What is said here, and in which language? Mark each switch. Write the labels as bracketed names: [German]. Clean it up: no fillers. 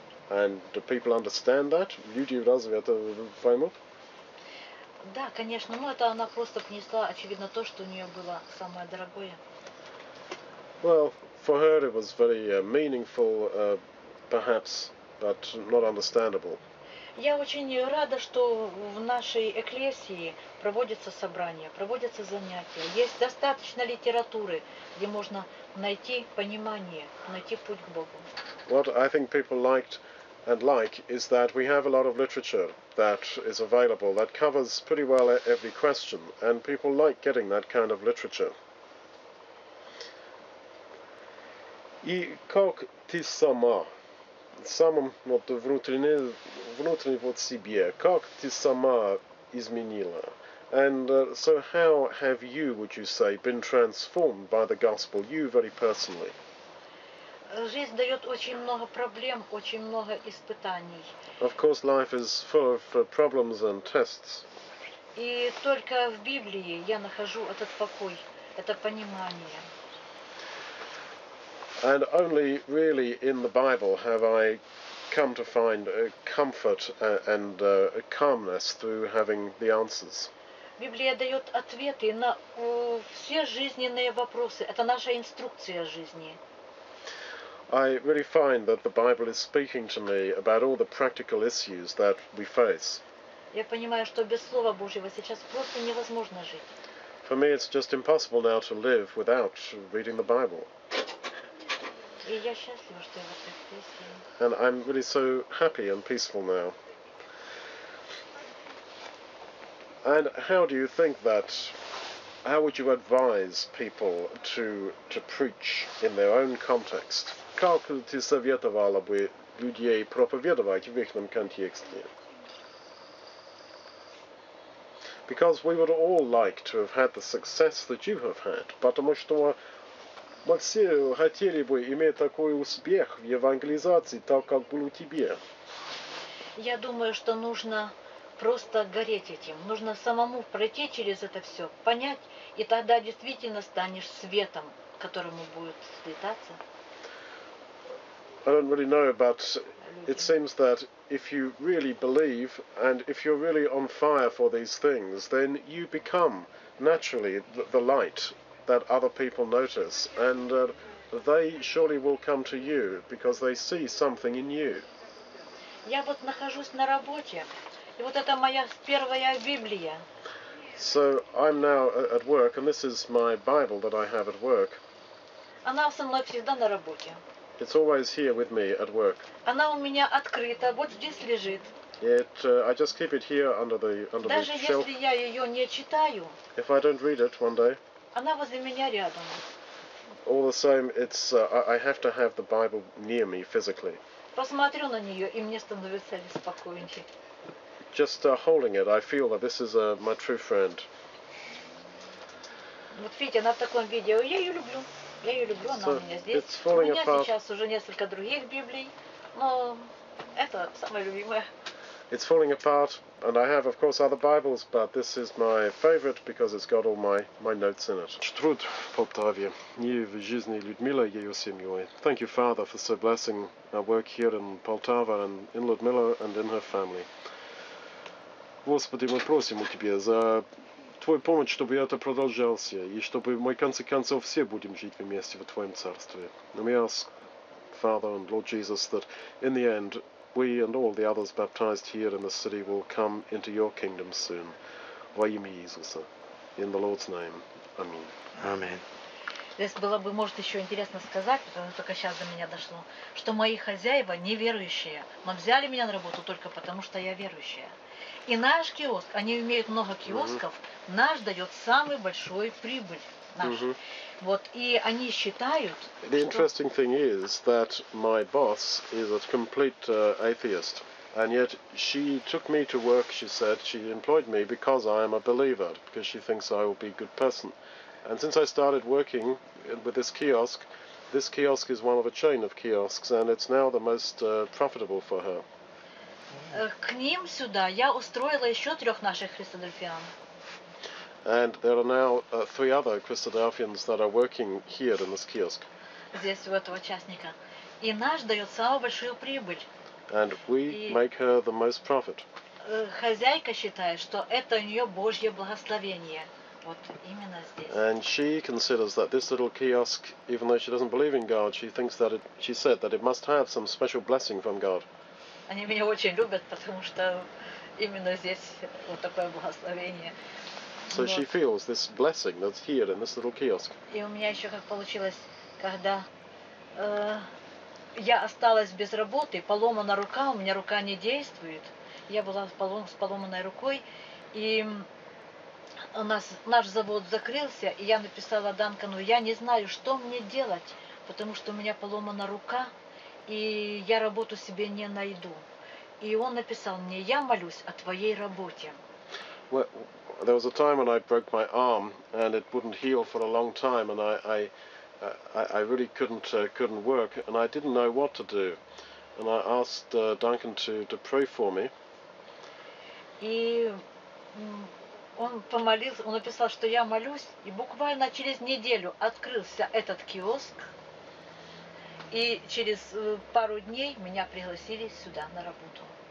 [English] And do people understand that? [Russian] Люди разве это поймут? Да, конечно. Но это она просто принесла, очевидно, то, что у нее было самое дорогое. [English] Well, for her it was very meaningful, perhaps, but not understandable. [Russian] Я очень рада, что в нашей экклесии проводятся собрания, проводятся занятия. Есть достаточно литературы, где можно найти понимание, найти путь к Богу. [English] What I think people liked and like is that we have a lot of literature that is available that covers pretty well every question, and people like getting that kind of literature. [Russian] И как ты сама? Самом вот внутренний вот себе, как ты сама изменила? [English] And so how have you, would you say, been transformed by the gospel, you very personally? [Russian] Жизнь дает очень много проблем, очень много испытаний. [English] Of course, life is full of problems and tests. [Russian] И только в Библии я нахожу этот покой, это понимание. [English] And only really in the Bible have I come to find comfort and calmness through having the answers. [Russian] Библия дает ответы на все жизненные вопросы. Это наша инструкция жизни. [English] I really find that the Bible is speaking to me about all the practical issues that we face. [Russian] Я понимаю, что без Слова Божьего сейчас просто невозможно жить. [English] For me, it's just impossible now to live without reading the Bible. [Russian] И я счастлива, что я вот так здесь. [English] And I'm really so happy and peaceful now. And how do you think that, how would you advise people to preach in their own context? [Russian] Как ты советовала бы людей проповедовать в их контексте? [English] Because we would all like to have had the success that you have had. [Russian] Потому что мы все хотели бы иметь такой успех в евангелизации, так как был у тебя. Я думаю, что нужно просто гореть этим. Нужно самому пройти через это все, понять, и тогда действительно станешь светом, которому будет светиться. [English] I don't really know, but it seems that if you really believe and if you're really on fire for these things, then you become naturally the light that other people notice, and they surely will come to you because they see something in you. [Russian] Я вот нахожусь на работе, и вот это моя первая Библия. [English] So I'm now at work, and this is my Bible that I have at work. [Russian] Она со мной всегда на работе. [English] It's always here with me at work. [Russian] Она у меня открыта, вот здесь лежит. [English] It, I just keep it here under [Russian] Даже [English] the shelf. [Russian] Даже если я ее не читаю. [English] If I don't read it one day. [Russian] Она возле меня рядом. [English] All the same, it's I have to have the Bible near me physically. [Russian] Посмотрю на нее, и мне становится спокойнее. [English] Just holding it, I feel that this is my true friend. [Russian] Вот видите, она в таком виде. Я ее люблю. Я ее люблю, она [English] so [Russian] у меня здесь. У меня сейчас уже несколько других Библий, но это самая любимая. [English] It's falling apart, and I have, of course, other Bibles, but this is my favorite because it's got all my notes in it. [Russian] Труд в Полтаве, не в жизни Людмилы и ее семьи. [English] Thank you, Father, for so blessing our work here in Poltava and in Людмила and in her family. [Russian] Господи, мы просим у тебя за твою помощь, чтобы это продолжался, и чтобы мы, в конце концов, все будем жить вместе в твоем царстве. [English] And we ask, Father and Lord Jesus, that in the end, we and all the others baptized here in the city will come into your kingdom soon. [Russian] Во имя Иисуса. [English] In the Lord's name. Amen. Amen. [Russian] Здесь было бы, может, еще интересно сказать, потому что только сейчас до меня дошло, что мои хозяева неверующие, но взяли меня на работу только потому, что я верующая. И наш киоск, они имеют много киосков, наш дает самый большой прибыль. Вот, и они считают, [English] the interesting что thing is that my boss is a complete atheist, and yet she took me to work, she said, she employed me because I am a believer, because she thinks I will be a good person. And since I started working with this kiosk is one of a chain of kiosks, and it's now the most profitable for her. [Russian] К ним сюда я устроила еще трех наших христодельфиан. [English] And there are now three other Christadelphians that are working here in this kiosk. [Russian] Здесь у этого участника. И наш дает самую большую прибыль. [English] And we make her the most profit. [Russian] Хозяйка считает, что это у нее Божье благословение. Вот именно здесь. [English] And she considers that this little kiosk, even though she doesn't believe in God, she thinks that it, she said that it must have some special blessing from God. [Russian] Они меня очень любят, потому что именно здесь вот такое благословение. [English] So she feels this blessing that's here in this little kiosk. [Russian] И у меня еще как получилось, когда я осталась без работы, поломана рука, у меня рука не действует. Я была с поломанной рукой, и у нас наш завод закрылся, и я написала Данкану, я не знаю, что мне делать, потому что у меня поломана рука, и я работу себе не найду. И он написал мне, я молюсь о твоей работе. [English] There was a time when I broke my arm and it wouldn't heal for a long time, and I really couldn't work, and I didn't know what to do, and I asked Duncan to pray for me. [Russian] И он помолился, он написал, что я молюсь, и буквально через неделю открылся этот киоск, и через пару дней меня пригласили сюда на работу.